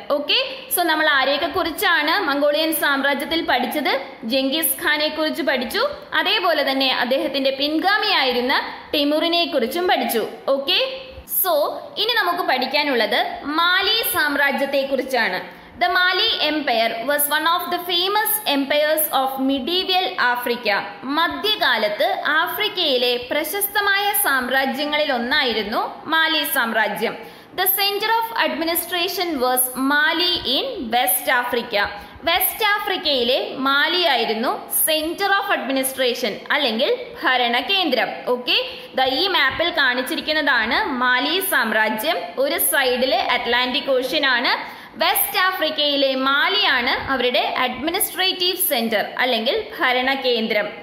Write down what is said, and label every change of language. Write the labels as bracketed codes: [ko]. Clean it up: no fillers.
[ml] Okay, so നമ്മൾ ആരെയൊക്കെ കുറിച്ചാണ് മംഗോളിയൻ സാമ്രാജ്യത്തിൽ പഠിച്ചത്? ജെങ്കിസ് ഖാനെ കുറിച്ച് പഠിച്ചു, അതേപോലെ തന്നെ അദ്ദേഹത്തിന്റെ പിൻഗാമിയായിരുന്ന ടിമുറിനെ കുറിച്ചും പഠിച്ചു. ഓക്കെ, സോ ഇനി നമുക്ക് പഠിക്കാനുള്ളത് മാലി സാമ്രാജ്യത്തെ കുറിച്ചാണ്. [en] The Mali Empire was one of the famous empires of medieval Africa. [ml] മധ്യകാലത്ത് ആഫ്രിക്കയിലെ പ്രശസ്തമായ സാമ്രാജ്യങ്ങളിൽ ഒന്നായിരുന്നു മാലി സാമ്രാജ്യം. [en] The center of administration was Mali in West Africa. [ml] West ആഫ്രിക്കയിലെ മാലി ആയിരുന്നു സെന്റർ ഓഫ് അഡ്മിനിസ്ട്രേഷൻ അല്ലെങ്കിൽ ഭരണകേന്ദ്രം. ഓക്കെ, ഈ മാപ്പിൽ കാണിച്ചിരിക്കുന്നതാണ് മാലി സാമ്രാജ്യം. ഒരു സൈഡില് അറ്റ്ലാന്റിക് ഓഷ്യൻ ആണ്, വെസ്റ്റ് ആഫ്രിക്കയിലെ മാലിയാണ് അവരുടെ അഡ്മിനിസ്ട്രേറ്റീവ് സെന്റർ അല്ലെങ്കിൽ ഭരണകേന്ദ്രം.